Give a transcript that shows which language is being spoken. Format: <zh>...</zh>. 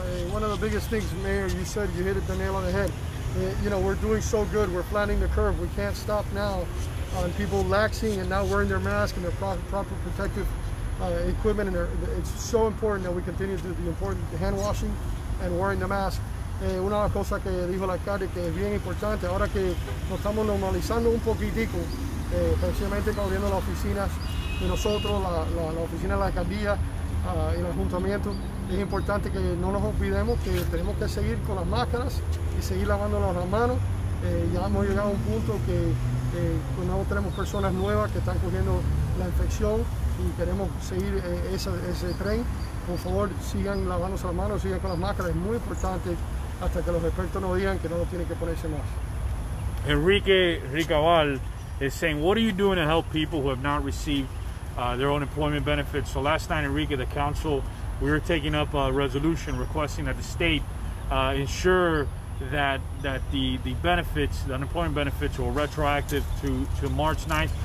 <en>One of the biggest things, Mayor, you said, you hit it the nail on the head. You know, we're doing so good. We're flattening the curve. We can't stop now on people laxing and not wearing their mask and their proper protective equipment. And it's so important that we continue to do the important hand washing and wearing the mask.</en> <es>Una cosa que dijo la alcalde que es bien importante, ahora que nos estamos normalizando un poquitico, precisamente abriendo las oficinas de nosotros, la oficina de la alcaldía y el ayuntamiento, es importante que no nos olvidemos que tenemos que seguir con las máscaras y seguir lavándonos las manos. Ya hemos llegado a un punto que no tenemos personas nuevas que están cogiendo la infección y queremos seguir ese tren. Por favor, sigan lavándose las manos, sigan con las máscaras, es muy importante hasta que los expertos nos digan que no lo tienen que ponerse más.</es> <en>Enrique Ricabal is saying, what are you doing to help people who have not received their own employment benefits? So last night, Enrique, the council, we were taking up a resolution requesting that the state ensure that the benefits, the unemployment benefits, were retroactive to March 9th.</en>